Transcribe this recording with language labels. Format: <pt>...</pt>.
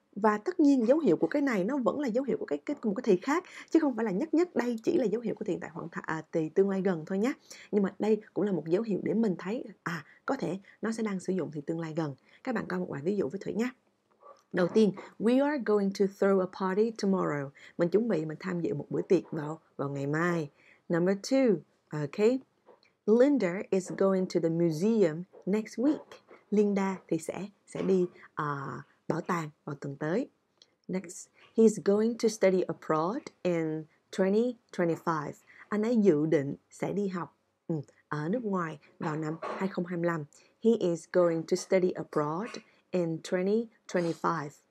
<vi>Và tất nhiên dấu hiệu của cái này nó vẫn là dấu hiệu của một cái thì khác, chứ không phải là nhất đây chỉ là dấu hiệu của hiện tại hoặc thì tương lai gần thôi nhé. Nhưng mà đây cũng là một dấu hiệu để mình thấy có thể nó sẽ đang sử dụng thì tương lai gần. Các bạn coi một vài ví dụ với Thủy nhé. Đầu tiên,</vi> <en>we are going to throw a party tomorrow.</en> <vi>Mình chuẩn bị mình tham dự một bữa tiệc vào ngày mai.</vi> <en>Number two, okay. Linda is going to the museum next week.</en> <vi>Linda thì sẽ đi bảo tàng vào tuần tới.</vi> <en>Next, he's going to study abroad in 2025.</en> <vi>Anh ấy dự định sẽ đi học ở nước ngoài vào năm 2025.</vi> <en>He is going to study abroad in 2025.</en>